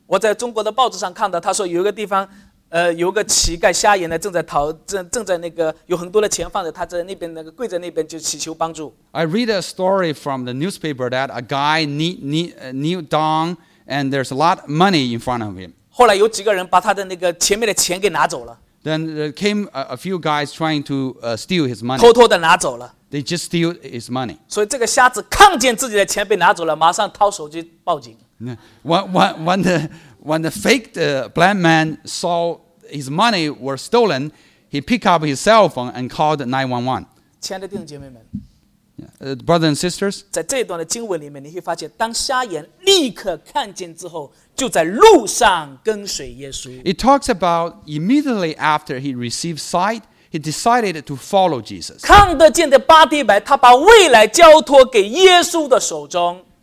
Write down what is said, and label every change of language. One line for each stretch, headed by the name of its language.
Chinese: 我在中国的报纸上看到，他说有一个地方。有个乞丐瞎眼的正在那个有很多的钱放着他在那边那个跪在那边就祈求帮助。
English: I read a story from the newspaper that a guy kneeled down and there's a lot of money in front of him.
Chinese: 后来有几个人把他的那个前面的钱给拿走了。
English: Then there came a few guys trying to steal his money.
Chinese: 偷偷的拿走了。
English: They just steal his money.
Chinese: 所以这个瞎子看见自己的钱被拿走了，马上掏手机报警。
English: When the fake blind man saw his money were stolen, he picked up his cell phone and called 911.
Chinese: 亲爱的弟兄姐妹们
English: brothers and sisters,
Chinese: 在这一段的经文里面，你会发现，当瞎眼立刻看见之后，就在路上跟随耶稣。
English: It talks about immediately after he received sight, he decided to follow Jesus.
Chinese: 看得见的巴提买，他把未来交托给耶稣的手中。